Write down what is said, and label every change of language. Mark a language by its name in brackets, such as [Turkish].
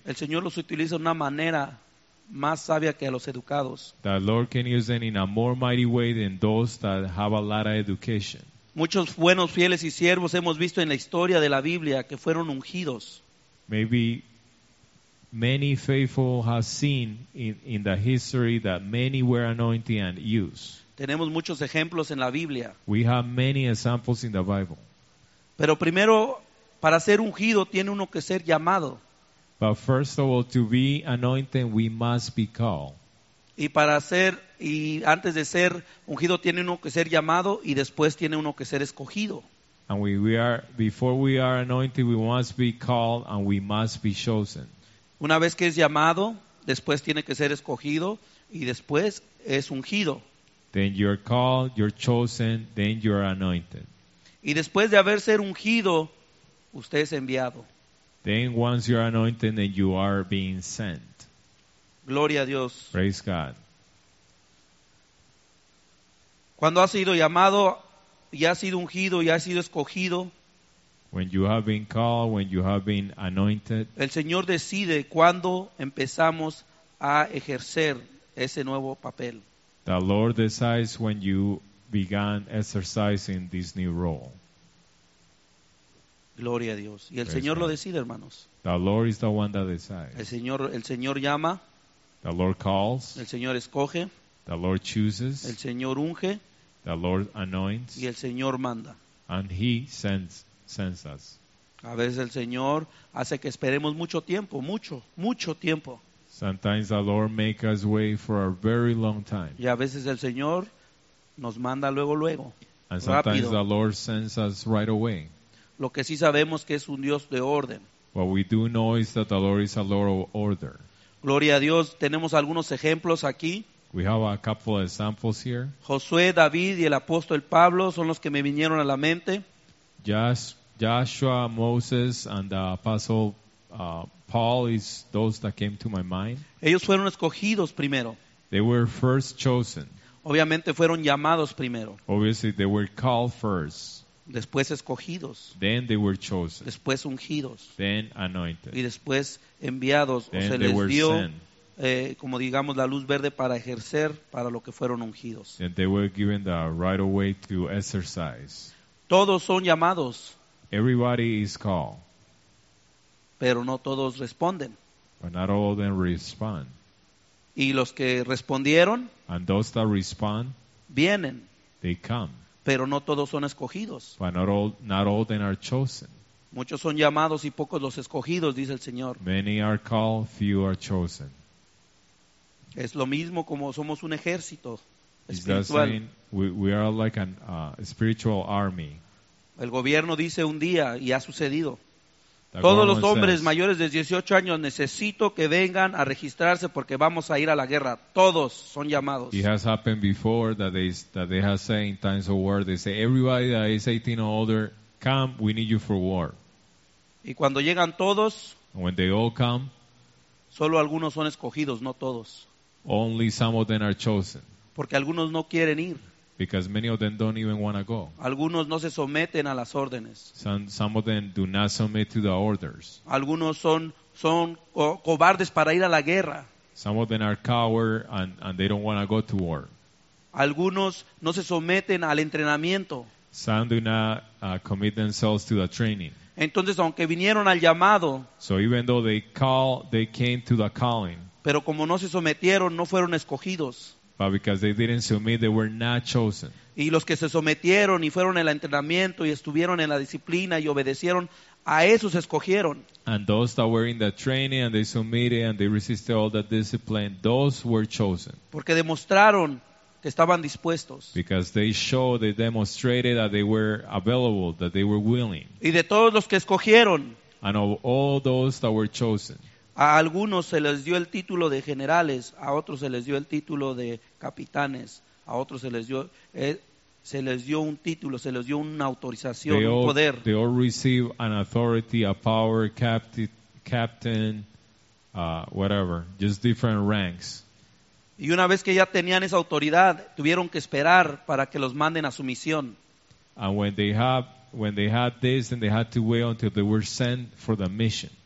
[Spanish] el Señor los utiliza de una manera más sabia que a los educados. [English] The Lord can use them in a more mighty way than those that have a lot of education. [Spanish] Muchos buenos fieles y siervos hemos visto en la historia de la Biblia que fueron ungidos. [English] Maybe many faithful have seen in the history that many were anointed and used. [Spanish] Tenemos muchos ejemplos en la Biblia. [English] We have many examples in the Bible. [Spanish] Pero primero, para ser ungido, tiene uno que ser llamado. [English] But first of all, to be anointed, we must be called. [Spanish] Y para ser, y antes de ser ungido, tiene uno que ser llamado, y después tiene uno que ser escogido. [English] And before we are anointed, we must be called and we must be chosen. [Spanish] Una vez que es llamado, después tiene que ser escogido, y después es ungido. [English] Then you're called, you're chosen, then you're anointed. [Spanish] Y después de haber ser ungido, usted es enviado. [English] Then once you're anointed, then you are being sent. [Spanish] Gloria a Dios. [English] Praise God. [Spanish] Cuando has sido llamado, y has sido ungido, y has sido escogido, [English] when you have been called, when you have been anointed, [Spanish] el Señor decide cuándo empezamos a ejercer ese nuevo papel. [English] The Lord decides when you began exercising this new role. [Spanish] Gloria a Dios. Y el [English] Praise [Spanish] Señor [English] God. [Spanish] Lo decide, hermanos. [English] The Lord is the one that decides. [Spanish] El Señor llama. [English] The Lord calls. [Spanish] El Señor escoge. [English] The Lord chooses. [Spanish] El Señor unge. [English] The Lord anoints. [Spanish] Y el Señor manda. [English] And he sends us. [Spanish] A veces el Señor hace que esperemos mucho tiempo, mucho, mucho tiempo. [English] Sometimes the Lord makes us wait for a very long time. [Spanish] Y a veces el Señor nos manda luego, luego. [English] And sometimes [Spanish] rápido. [English] The Lord sends us right away. [Spanish] Lo que sí sabemos que es un Dios de orden. [English] What we do know is that the Lord is a Lord of order. [Spanish] Gloria a Dios. Tenemos algunos ejemplos aquí. [English] We have a couple of examples here. [Spanish] Josué, David y el apóstol Pablo son los que me vinieron a la mente. [English] Joshua, Moses and the apostle Paul is those that came to my mind. [Spanish] Ellos fueron escogidos primero. [English] They were first chosen. [Spanish] Obviamente fueron llamados primero. [English] Obviously they were called first. [Spanish] Después escogidos. [English] Then they were chosen. [Spanish] Después ungidos. [English] Then anointed. [Spanish] Y después enviados. [English] Then [Spanish] o se les dio, como digamos, la luz verde para ejercer para lo que fueron ungidos. [English] Then they were given the right of way to exercise. [Spanish] Todos son llamados. [English] Everybody is called. [Spanish] Pero no todos responden. [English] But not all of them respond. [Spanish] Y los que respondieron. [English] And those that respond. [Spanish] Vienen. [English] They come. [Spanish] Pero no todos son escogidos. [English] But not all of them are chosen. [Spanish] Muchos son llamados y pocos los escogidos, dice el Señor. [English] Many are called, few are chosen. [Spanish] Es lo mismo como somos un ejército espiritual. [English] We are like a spiritual army. [Spanish] El gobierno dice un día y ha sucedido. Todos los hombres mayores de 18 años necesito que vengan a registrarse porque vamos a ir a la guerra. Todos son llamados. [English] It has happened before that they have said in times of war, they say, everybody that is 18 or older, come, we need you for war. [Spanish] Y cuando llegan todos, [English] when they all come, [Spanish] solo algunos son escogidos, no todos. [English] Only some of them are chosen. [Spanish] Porque algunos no quieren ir. [English] Because many of them don't even want to go. [Spanish] Algunos no se someten a las órdenes. [English] Some of them do not submit to the orders. [Spanish] Algunos son cobardes para ir a la guerra. [English] Some of them are cowards and they don't want to go to war. [Spanish] Algunos no se someten al entrenamiento. [English] Some do not commit themselves to the training. [Spanish] Entonces, aunque vinieron al llamado, [English] so even though they came to the calling, [Spanish] pero como no se sometieron, no fueron escogidos. [English] But because they didn't submit, they were not chosen. [Spanish] Y los que se sometieron y fueron en el entrenamiento y estuvieron en la disciplina y obedecieron, a esos escogieron. [English] And those that were in the training and they submitted and they resisted all the discipline, those were chosen. [Spanish] Porque demostraron que estaban dispuestos. [English] Because they showed, they demonstrated that they were available, that they were willing. [Spanish] Y de todos los que escogieron, [English] and of all those that were chosen, [Spanish] a algunos se les dio el título de generales, a otros se les dio el título de capitanes, a otros se les dio un título, se les dio una autorización, [English] they all, [Spanish] un poder. [English] They all receive an authority, a power, captain, whatever, just different ranks. [Spanish] Y una vez que ya tenían esa autoridad, tuvieron que esperar para que los manden a su misión. [English] And when they had this, then they had to wait until they were sent for the mission.